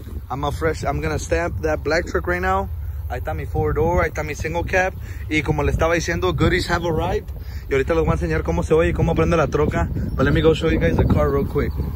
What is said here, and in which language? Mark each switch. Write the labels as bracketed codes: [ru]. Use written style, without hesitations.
[en] I'm gonna stamp that black truck right now. [es] Ahí está mi four door, ahí está mi single cab. Y como le estaba diciendo, [en] goodies have arrived. [es] Y ahorita les voy a enseñar cómo se oye y cómo prende la troca. [en] But let me go show you guys the car real quick.